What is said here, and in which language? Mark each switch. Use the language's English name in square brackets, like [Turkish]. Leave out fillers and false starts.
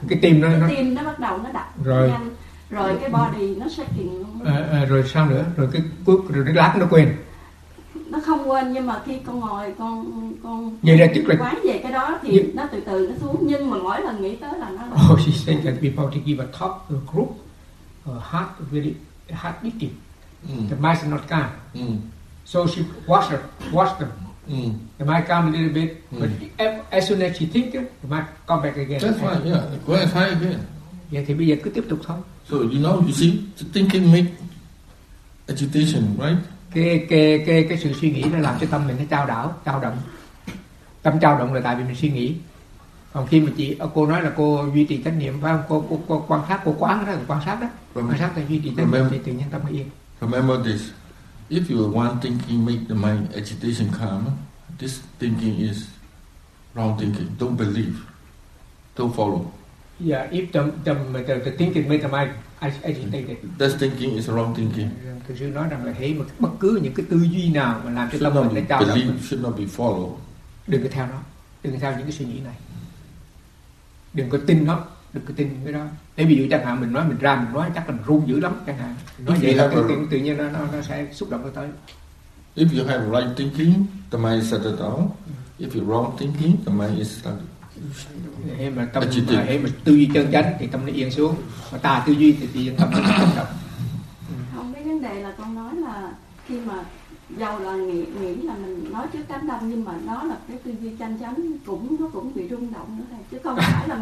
[Vietnamese] cái tim nó bắt đầu nó đập rồi nhanh, rồi cái body nó shaking rồi sao nữa, rồi cái lát nó quên. Nó không quên, nhưng mà khi con ngồi con vậy là tức là quán về cái đó thì nó từ từ nó xuống, nhưng mà mỗi lần nghĩ tới là nó [English] she said that before to give a talk to a group her heart really heart beating. The mind is not calm. So she watched them. The mind calm a little bit, but as soon as she think the mind come back again. That's why, yeah, go ahead, try again. [Vietnamese] Yeah, thì bây giờ cứ tiếp tục thôi. [English] So you know, you see, thinking make agitation, right? [Vietnamese] cái sự suy nghĩ nó làm cho tâm mình nó chao đảo, chao động. Tâm chao động là tại vì mình suy nghĩ. Còn khi mà chị cô nói là cô duy trì trách nhiệm, phải không? Cô quan sát, cô quán đó, quan sát đó. Quan sát là duy trì trách nhiệm thì tự nhiên tâm mới yên. [English] Remember this. If you want thinking make the mind agitation calm, this thinking is wrong thinking. Don't believe. Don't follow. Yeah, if the thinking make the mind agitated. This thinking is wrong thinking. [Vietnamese] Thực sự nói rằng là thấy mà bất cứ những cái tư duy nào mà làm cho tâm mình nó chao [English] động, should not be followed. [Vietnamese] Đừng có theo nó, đừng có theo những cái suy nghĩ này, đừng có tin nó, đừng có tin cái đó. Để ví dụ chẳng hạn mình nói, mình ra mình nói chắc là run dữ lắm chẳng hạn, nói vậy là tự nhiên nó sẽ xúc động nó tới. [English] If you have right thinking, the mind is settled down. If you wrong thinking, the mind is settled. [Vietnamese] Hay mà tư duy chân chánh thì tâm nó yên xuống, mà tà tư duy thì tâm nó chao động. Không, cái vấn đề là con nói là khi mà dầu là nghĩ là mình nói trước tám đông, nhưng mà nó là cái tư duy chân chánh cũng nó cũng bị rung động nữa thầy, chứ không phải là